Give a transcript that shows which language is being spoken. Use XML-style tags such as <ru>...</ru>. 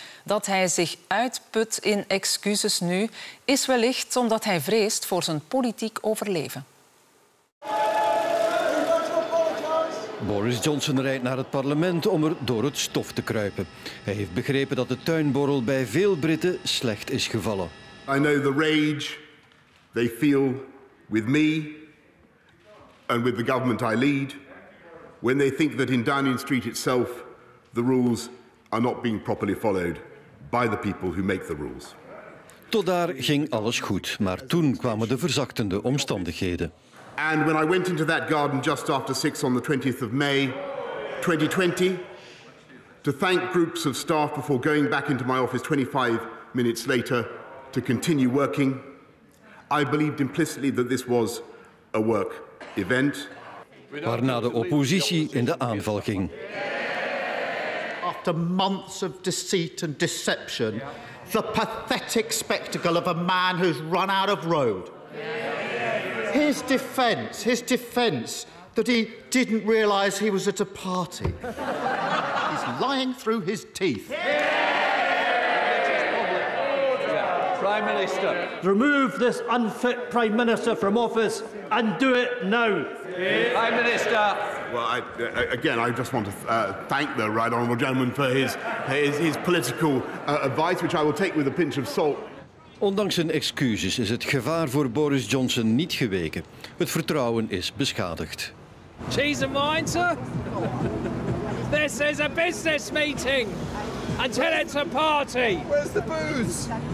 <nl>Dat hij zich uitput in excuses nu, is wellicht omdat hij vreest voor zijn politiek overleven. Boris Johnson rijdt naar het parlement om er door het stof te kruipen. Hij heeft begrepen dat de tuinborrel bij veel Britten slecht is gevallen.</nl> <en>I know the rage they feel with me and with the government I lead when they think that in Downing Street itself the rules are not being properly followed. By the people who make the rules.</en> <nl>Tot daar ging alles goed, maar toen kwamen de verzachtende omstandigheden.</nl> <en>And when I went into that garden just after 6 on the 20th of May 2020 to thank groups of staff before going back into my office 25 minutes later to continue working, I believed implicitly that this was a work event.</en> <nl>Waarna de oppositie in de aanval ging.</nl> <en>After months of deceit and deception, the pathetic spectacle of a man who's run out of road. His defense that he didn't realize he was at a party. He's lying through his teeth. Prime Minister, remove this unfit Prime Minister from office and do it now. Prime Minister. Well, I just want to thank the Right Honourable Gentleman for his political advice, which I will take with a pinch of salt.</en> <nl>Ondanks zijn excuses is het gevaar voor Boris Johnson niet geweken. Het vertrouwen is beschadigd.</nl> <en>Cheese and wine, sir. This is a business meeting. Until it's a party. Where's the booze?</en>